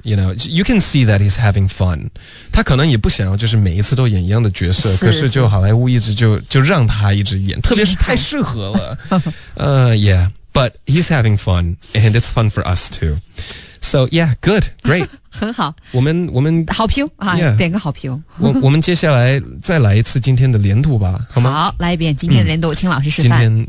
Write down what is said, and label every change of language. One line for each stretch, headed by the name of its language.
English: You know, you can see that he's having fun.
Chinese: 他可能也不想要就是每一次都演一样的角色，可是就好莱坞一直就让他一直演，特别是太适合了。
English: yeah, but he's having fun, and it's fun for us too. So yeah, good, great.
Chinese: 很好，我们好评啊，
English: yeah,
Chinese: 点个好评。我们接下来再来一次今天的连读吧，好吗？好，来一遍今天的连读，请老师示范。